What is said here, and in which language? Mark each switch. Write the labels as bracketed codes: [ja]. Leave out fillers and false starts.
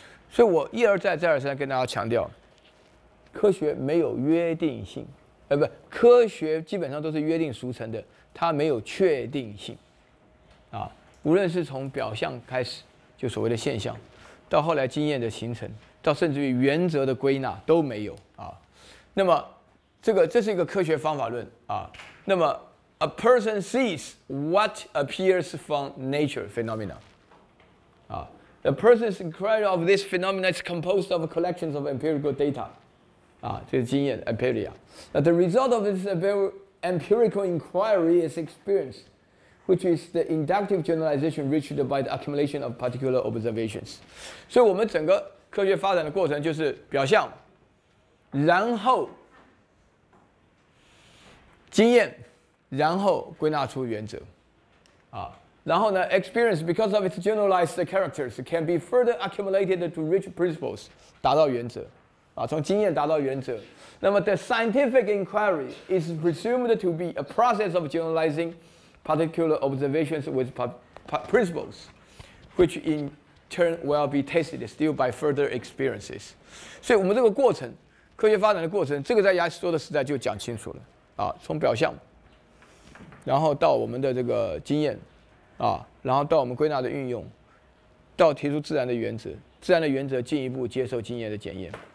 [zh] 所以我一而再再而三跟大家强调，科学没有约定性，科学基本上都是约定俗成的，它没有确定性，啊，无论是从表象开始，就所谓的现象，到后来经验的形成，到甚至于原则的归纳都没有啊。那么，这是一个科学方法论啊。 [en] 那么 ，a person sees what appears from nature phenomena， 啊 ，the person's creation of this phenomena is composed of collections of empirical data。啊， [zh] 这是经验 [en] empiria。那 the result of this empirical inquiry is experience, which is the inductive generalization reached by the accumulation of particular observations。 [zh] 所以，我们整个科学发展的过程就是表象，然后经验，然后归纳出原则。 [en] 啊， [zh] 然后呢 [en] ，experience because of its generalized characters can be further accumulated to reach principles， [zh] 达到原则。 [en] 啊， [zh] 从经验达到原则， [en] 那么 the scientific inquiry is presumed to be a process of generalizing particular observations with principles, which in turn will be tested still by further experiences. [zh] 所以，我们这个过程，科学发展的过程，这个在亚里士多德时代就讲清楚了。啊，从表象，然后到我们的这个经验，啊，然后到我们归纳的运用，到提出自然的原则，自然的原则进一步接受经验的检验。